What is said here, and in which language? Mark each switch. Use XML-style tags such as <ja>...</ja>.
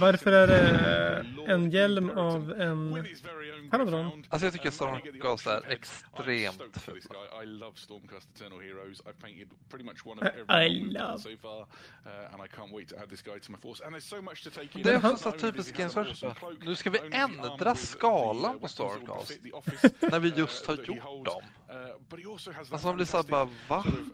<sv>Varför är det en hjälm av en Hanadron? Alltså jag tycker Stormcast är extremt fult.</sv> <en>I love Stormcast Eternal Heroes. I've painted pretty much one of everyone so far, and I can't wait to add this guy to my force. And there's so much to take in.</en> <sv>Det är hans typiska gensvärd. Nu ska vi ändra skalan på Stormcast när vi just har gjort dem. Alltså han blir såhär bara, va?</sv>